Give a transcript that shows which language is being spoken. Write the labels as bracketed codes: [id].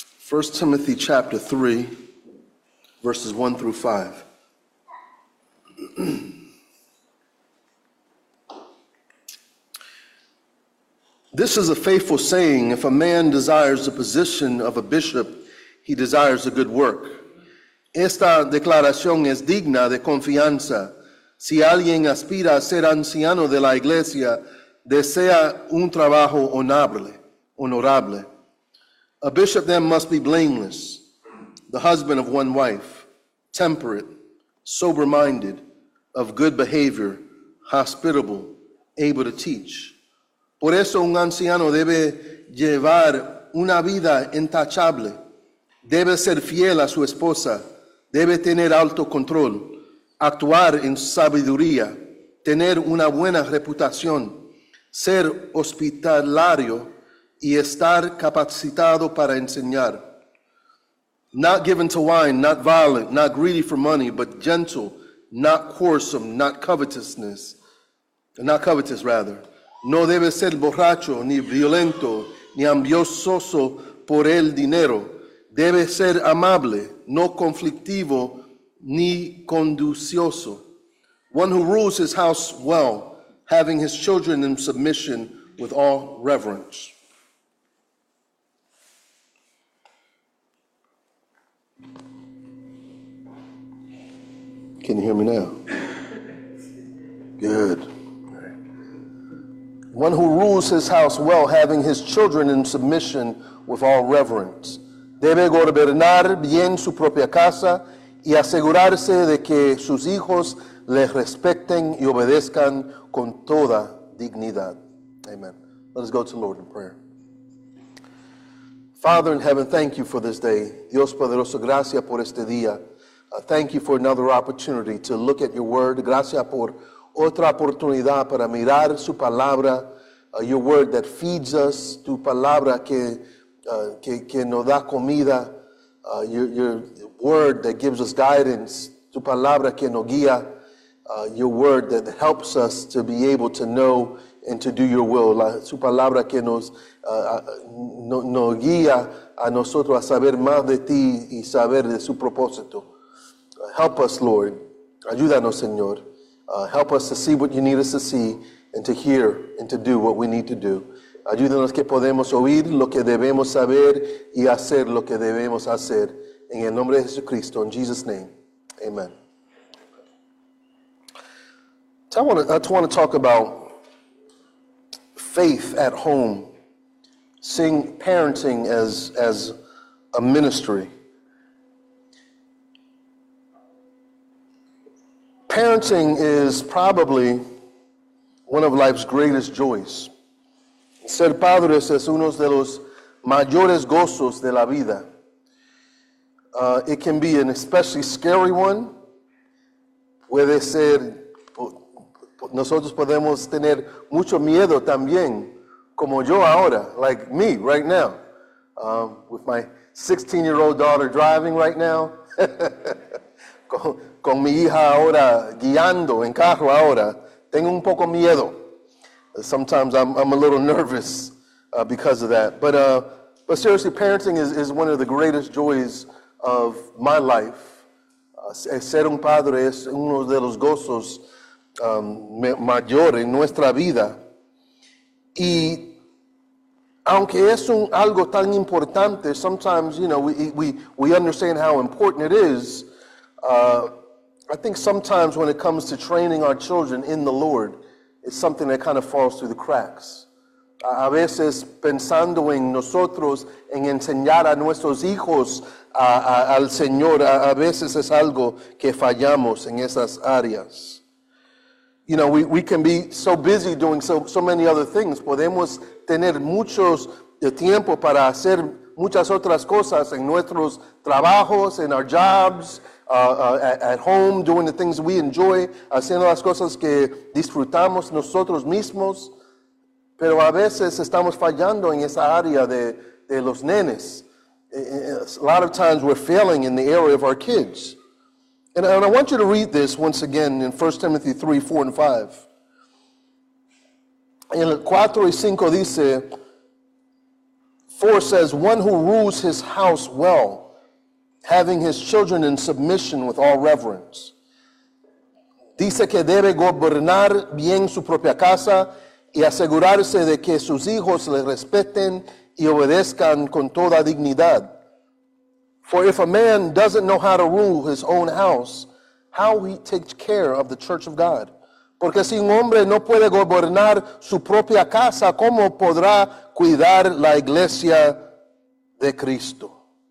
[en] 1 Timothy chapter 3, verses 1 through 5. This is a faithful saying: if a man desires the position of a bishop, he desires a good work. [es] Esta declaración es digna de confianza. Si alguien aspira a ser anciano de la iglesia, desea un trabajo honorable. [en] A bishop then must be blameless, the husband of one wife, temperate, sober-minded, of good behavior, hospitable, able to teach. [es] Por eso un anciano debe llevar una vida intachable, debe ser fiel a su esposa, debe tener alto control, actuar en sabiduría, tener una buena reputación, ser hospitalario y estar capacitado para enseñar. [en] Not given to wine, not violent, not greedy for money, but gentle, not quarrelsome, not covetous. [es] No debe ser borracho, ni violento, ni ambicioso por el dinero. Debe ser amable, no conflictivo, ni conducioso. [en] One who rules his house well, having his children in submission with all reverence. Can you hear me now? Good. One who rules his house well, having his children in submission with all reverence. [es] Debe gobernar bien su propia casa y asegurarse de que sus hijos le respeten y obedezcan con toda dignidad. [en] Amen. Let us go to the Lord in prayer. Father in heaven, thank you for this day. [es] Dios poderoso, gracias por este día. [en] Thank you for another opportunity to look at your word. [es] Gracias por otra oportunidad para mirar su palabra, [en] your word that feeds us, [es] tu palabra que nos da comida, [en] your word that gives us guidance, [es] tu palabra que nos guía, [en] your word that helps us to be able to know and to do your will, [es] su palabra que nos guía a nosotros a saber más de ti y saber de su propósito. [en] Help us, Lord. [es] Ayúdanos, Señor. [en] Help us to see what you need us to see and to hear and to do what we need to do. [es] Ayúdanos que podemos oír lo que debemos saber y hacer lo que debemos hacer. En el nombre de Jesucristo, [en] in Jesus' name, amen. So I want to talk about faith at home, seeing parenting as a ministry. Parenting is probably one of life's greatest joys. [es] Ser padres es uno de los mayores gozos de la vida. [en] It can be an especially scary one. [es] Puede ser, nosotros podemos tener mucho miedo también, como yo ahora, [en] like me right now, with my 16-year-old daughter driving right now. [es] Con mi hija ahora guiando en carro ahora, tengo un poco miedo. [en] Sometimes I'm a little nervous because of that. But seriously, parenting is one of the greatest joys of my life. [es] Ser un padre es uno de los gozos mayores en nuestra vida. Y aunque es algo tan importante, [en] sometimes, you know, we understand how important it is. I think sometimes when it comes to training our children in the Lord, it's something that kind of falls through the cracks. [es] A veces pensando en nosotros, en enseñar a nuestros hijos al Señor, a veces es algo que fallamos en esas áreas. [en] You know, we can be so busy doing so many other things. [es] Podemos tener mucho tiempo para hacer muchas otras cosas en nuestros trabajos, en [en] our jobs, at home, doing the things we enjoy, [es] haciendo las cosas que disfrutamos nosotros mismos. Pero a veces estamos fallando en esa área de los nenes. [en] A lot of times we're failing in the area of our kids. And I want you to read this once again in 1 Timothy 3, 4 and 5. In 4 [es] y 5 dice, [en] 4 says, one who rules his house well, having his children in submission with all reverence. [es] Dice que debe gobernar bien su propia casa y asegurarse de que sus hijos le respeten y obedezcan con toda dignidad. [en] For if a man doesn't know how to rule his own house, how will he take care of the church of God? [es] Porque si un hombre no puede gobernar su propia casa, ¿cómo podrá cuidar la iglesia de Cristo?